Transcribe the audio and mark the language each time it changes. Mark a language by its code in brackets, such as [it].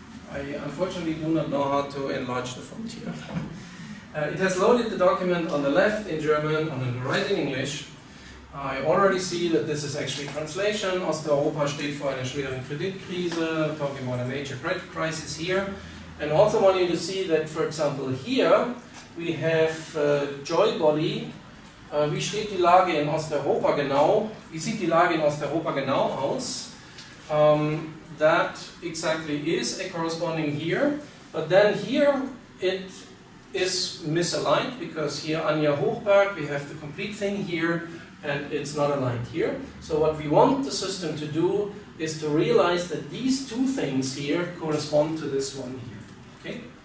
[en] I unfortunately do not know how to enlarge the font here. It has loaded the document on the left in German, on the right in English. I already see that this is actually translation. [de] Osteuropa steht vor einer schweren Kreditkrise, [en] talking about a major credit crisis here. And also want you to see that, for example, here we have Joybody. [de] Wie steht die Lage in Osteuropa genau? Wie sieht die Lage in Osteuropa genau aus? [en] That exactly is a corresponding here, but then here it is misaligned because here Anja Hochberg, we have the complete thing here and it's not aligned here. So what we want the system to do is to realize that these two things here correspond to this one here. Okay?